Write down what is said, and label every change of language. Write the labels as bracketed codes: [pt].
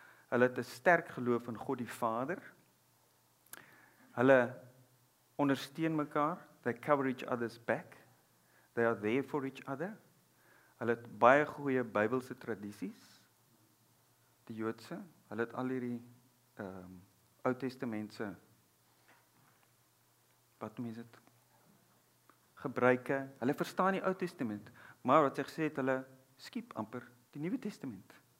[af] Hulle het 'n sterk geloof in God die Vader. Hulle ondersteun mekaar. [en] They cover each other's back. They are there for each other. [af] Hulle het baie goeie Bybelse tradisies. Die Joodse, hulle het al hierdie Ou Testamentse wat noem jy dit? Gebruike. Hulle verstaan die Ou Testament, maar wat hy gesê het, hulle skiep amper die Nuwe Testament.